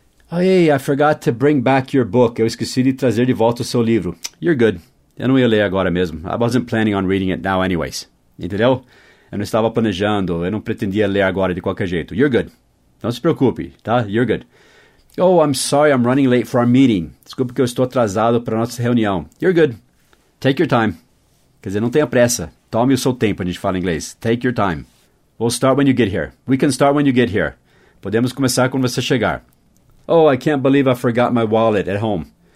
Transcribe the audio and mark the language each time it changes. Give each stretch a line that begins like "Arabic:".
English: Hey, I forgot to bring back your book.
Portuguese: Eu esqueci de trazer de volta o seu livro.
English: You're good.
Portuguese: Eu não ia ler agora mesmo.
English: I wasn't planning on reading it now anyways.
Portuguese: Entendeu? Eu não estava planejando. Eu não pretendia ler agora de qualquer jeito.
English: You're good.
Portuguese: Não se preocupe, tá? You're good.
English: Oh, I'm sorry I'm running late for our meeting.
Portuguese: Desculpa que eu estou atrasado para a nossa reunião.
English: You're good. Take your time.
Portuguese: Quer dizer, não tenha pressa. Tome o seu tempo, a gente fala em inglês.
English: Take your time. We'll start when you get here. We can start when you get here.
Portuguese: Podemos começar quando você chegar.
English: Oh, I can't believe I forgot my wallet at home.